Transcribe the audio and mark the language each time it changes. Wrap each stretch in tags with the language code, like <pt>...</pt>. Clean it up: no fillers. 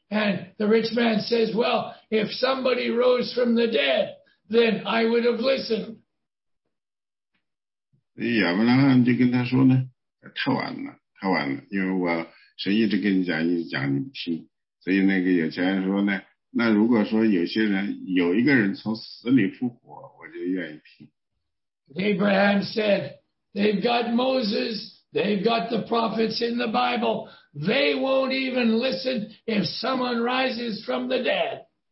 <en>And the rich man says, well, if somebody rose from the dead, then I would have listened.</en> <zh>亚伯拉罕就跟他说呢，太晚了，因为我神一直跟你讲，一直讲，你不听。所以那个有钱人说呢，那如果说有些人，有一个人从死里复活，我就愿意听。Abraham</zh> <en>said, they've got Moses, they've got the prophets in the Bible. They won't even listen if someone rises from the dead.</en>